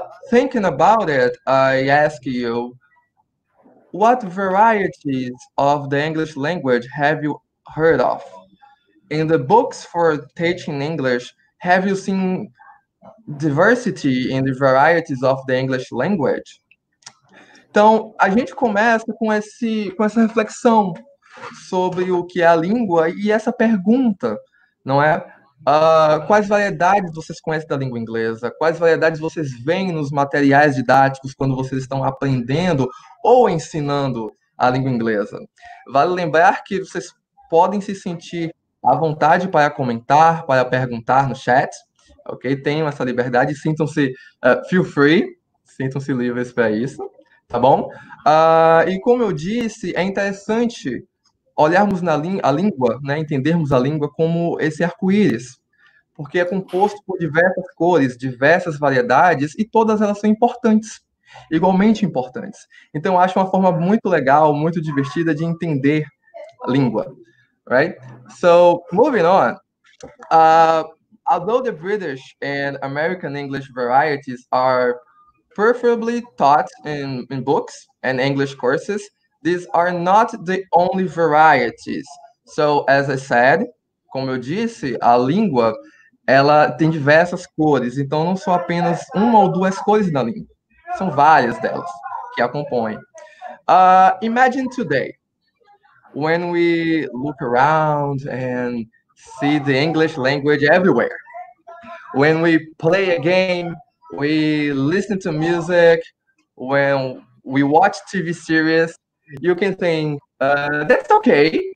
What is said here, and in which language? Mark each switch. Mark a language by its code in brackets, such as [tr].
[en] Thinking about it, I ask you, what varieties of the English language have you heard of? In the books for teaching English, have you seen diversity in the varieties of the English language? [pt] Então, a gente começa com essa reflexão sobre o que é a língua e essa pergunta, não é? Quais variedades vocês conhecem da língua inglesa? Quais variedades vocês veem nos materiais didáticos quando vocês estão aprendendo ou ensinando a língua inglesa? Vale lembrar que vocês podem se sentir à vontade para comentar, para perguntar no chat, ok? Tenham essa liberdade, sintam-se [en] feel free, [pt] sintam-se livres para isso, tá bom? E como eu disse, é interessante olharmos na a língua, né? Entendermos a língua como esse arco-íris, porque é composto por diversas cores, diversas variedades e todas elas são importantes, igualmente importantes. Então, eu acho uma forma muito legal, muito divertida de entender a língua. [en] Right? So moving on, although the British and American English varieties are preferably taught in books and English courses, these are not the only varieties. So, as I said, [pt] como eu disse, a língua ela tem diversas cores, então não são apenas uma ou duas cores na língua, são várias delas que a compõem. [en] Imagine today. When we look around and see the English language everywhere, when we play a game, we listen to music, when we watch TV series, you can think, that's okay.